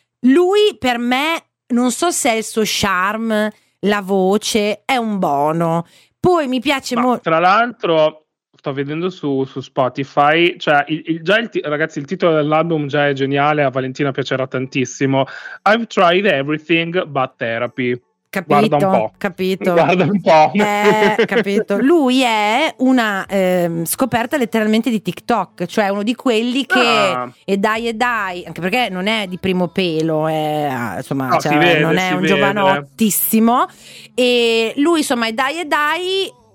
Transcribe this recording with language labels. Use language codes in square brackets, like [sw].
[it] Lui per me, non so se è il suo charme, la voce, è un bono. Poi mi piace molto... Tra l'altro... sto vedendo su Spotify, cioè ragazzi, il titolo dell'album già è geniale, a Valentina piacerà tantissimo. [en] I've tried everything but therapy. [it] Capito, Guarda un po'. Lui è una scoperta letteralmente di TikTok, cioè uno di quelli che e dai, anche perché non è di primo pelo, non è un giovanottissimo, e lui insomma è dai.